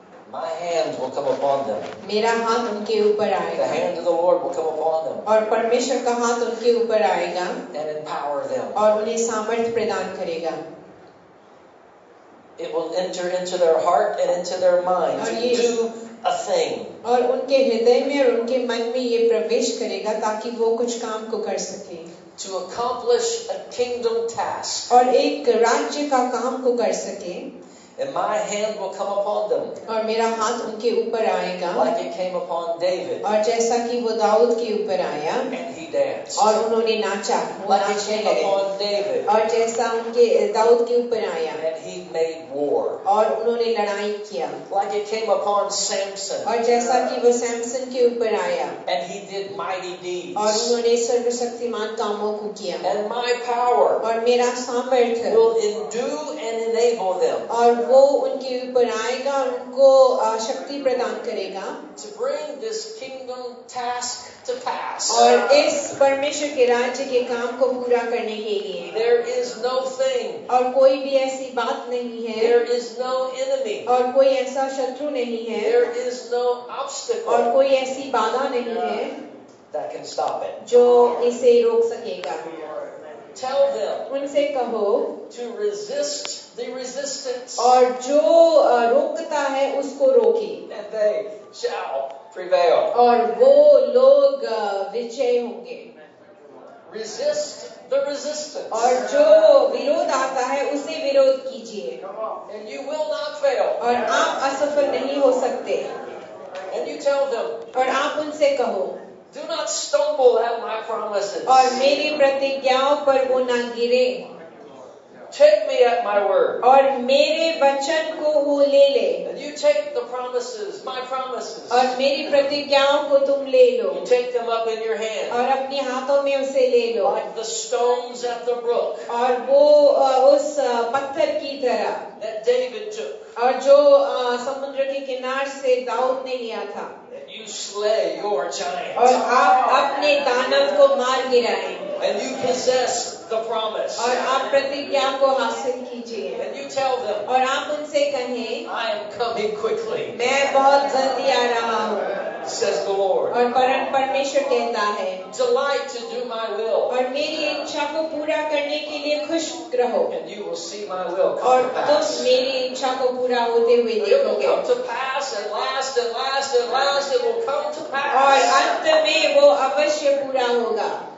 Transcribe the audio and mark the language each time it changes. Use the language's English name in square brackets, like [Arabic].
[English] My hand will come upon them. [Hindi] मेरा हाथ उनके ऊपर आएगा. [English] The hand of the Lord will come upon them. [Hindi] और परमेश्वर का हाथ उनके ऊपर आएगा. [English] And empower them. [Hindi] और उन्हें सामर्थ्य प्रदान करेगा. [English] It will enter into their heart and into their mind to do a thing. [Hindi] और उनके हृदय में और उनके मन में ये प्रवेश करेगा ताकि वो कुछ काम को कर सके. [English] To accomplish a kingdom task. [Hindi] और एक राज्य का काम को कर सके. [English] And my hand will come upon them. [Hindi] और मेरा हाथ उनके ऊपर आएगा. [English] Like it came upon David. [Hindi] और जैसा कि वो दाऊद के ऊपर आया. [English] And he danced. [Hindi] और उन्होंने नाचा. [English] Like it came upon David. [Hindi] और जैसा उनके दाऊद के ऊपर आया. [English] And he made war. [Hindi] और उन्होंने लड़ाई किया. [English] Like it came upon Samson. [Hindi] और जैसा कि वो सैमसन के ऊपर आया. [English] And he did mighty deeds. [Hindi] और उन्होंने सर्वशक्तिमान कामों को किया. [English] And my power. [Hindi] और मेरा सामर्थ्य. [English] Will endue and enable them. [Hindi] और वो उनके ऊपर आएगा और उनको शक्ति प्रदान करेगा. [English] To bring this kingdom task to pass. [Hindi] और इस परमेश्वर के राज्य के काम को पूरा करने के लिए. [English] There is no thing. [Hindi] और कोई भी ऐसी बात नहीं है. [English] There is no enemy. [Hindi] और कोई ऐसा शत्रु नहीं है. [English] There is no obstacle. [Hindi] और कोई ऐसी बाधा नहीं है. [English] That can stop it. [Hindi] जो इसे रोक सकेगा. [English] Tell them. [Hindi] उनसे कहो. [English] To resist the resistance. [Hindi] और जो रोकता है उसको रोके. [English] And they shall prevail. [Hindi] और वो लोग विजय होंगे. [English] Resist the resistance. [Hindi] और जो विरोध आता है उसे विरोध कीजिए. [English] And you will not fail. [Hindi] और आप असफल नहीं हो सकते. [English] And you tell them. [Hindi] और आप उनसे कहो. [English] Do not stumble at my promises. [Hindi] और मेरी प्रतिज्ञाओं पर वो ना गिरे. [English] Take me at my word. [Hindi] और मेरे वचन को वो ले ले. [English] And you take the promises, my promises. [Hindi] और मेरी प्रतिज्ञाओं को तुम ले लो. [English] You take them up in your hand. [Hindi] और अपने हाथों में उसे ले लो. [English] Like the stones at the brook. [Hindi] और वो उस पत्थर की तरह. [English] That David took. [Hindi] और जो समुद्र के किनारे से दाऊद ने लिया था. [English] You slay your giant. [Hindi] और आप अपने दानव को मार गिराए. [English] And you possess the promise. [Hindi] और आप प्रतिज्ञा को हासिल कीजिए. [English] And you tell them. [Hindi] और आप उनसे कहें. [English] I am coming quickly. [Hindi] मैं बहुत जल्दी आ रहा हूँ. [English] says the Lord. [Hindi] और परमेश्वर कहता है. [English] Delight to do my will. [Hindi] और मेरी इच्छा को पूरा करने के लिए खुश रहो. [English] And you will see my will come to pass. [Hindi] और तुम मेरी इच्छा को पूरा होते हुए देखोगे. [English] It will come to pass and last and last and last it will come to pass. [Hindi] और अंत में वो अवश्य पूरा होगा.